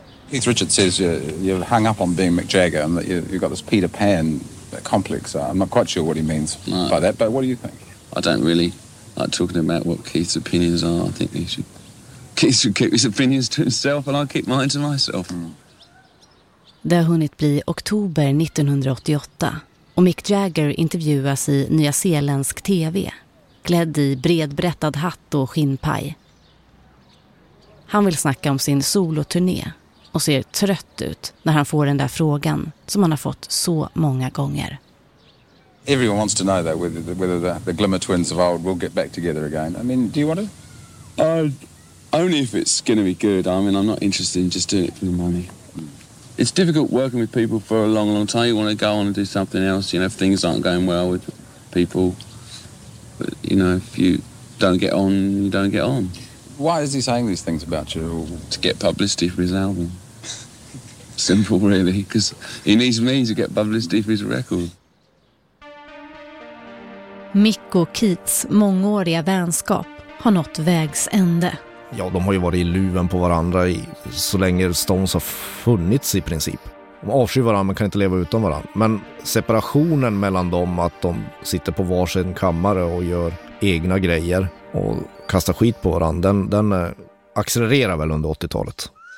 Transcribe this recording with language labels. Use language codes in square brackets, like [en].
[en] Keith Richards says you're hung up on being Mick Jagger and that you've got this Peter Pan complex. I'm not quite sure what he means by that, but what do you think? I don't really like talking about what Keith's opinions are. I think Keith should keep his opinions to himself and I'll keep mine to myself. [sv] Det har hunnit bli oktober 1988 och Mick Jagger intervjuas i Nya Zeeländsk TV, klädd i bredbrättad hatt och skinnpaj. Han vill snacka om sin soloturné och ser trött ut när han får den där frågan som han har fått så många gånger. [en] Everyone wants to know that whether the Glimmer Twins of old will get back together again. I mean, do you want to? Only if it's going to be good. I mean, I'm not interested in just doing it for the money. It's difficult working with people for a long, long time. You want to go on and do something else, you know, if things aren't going well with people. But, you know, if you don't get on, you don't get on. Why is he saying these things about you? To get publicity for his album. Simple, really, because he needs me to get publicity for his record. [sv] Mick och Keiths mångåriga vänskap har nått vägs ände. Ja, de har ju varit i luven på varandra så länge Stones har funnits i princip. De avskyr varandra, men kan inte leva utan varandra. Men separationen mellan dem, att de sitter på varsin kammare och gör egna grejer och kasta skit på varandra, den accelererar väl under 80-talet.